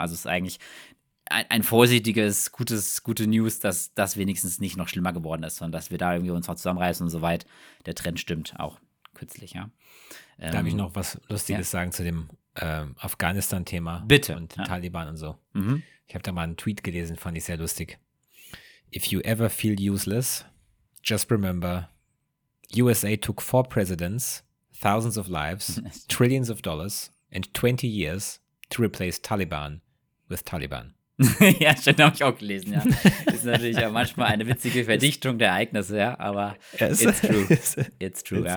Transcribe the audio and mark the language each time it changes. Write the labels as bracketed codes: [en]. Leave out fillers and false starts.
[de] Also es ist eigentlich ein vorsichtiges, gute News, dass das wenigstens nicht noch schlimmer geworden ist, sondern dass wir da irgendwie uns noch zusammenreißen und soweit der Trend stimmt auch. kürzlich, ja. Darf ich noch was Lustiges sagen zu dem Afghanistan-Thema? Bitte. Und den Taliban und so. Mhm. Ich habe da mal einen Tweet gelesen, fand ich sehr lustig. [en] If you ever feel useless, just remember, USA took 4 presidents, thousands of lives, trillions of dollars and 20 years to replace Taliban with Taliban. [de] Ja, stimmt, habe ich auch gelesen, ja. Ist natürlich ja manchmal eine witzige Verdichtung der Ereignisse, ja, aber [en] it's true.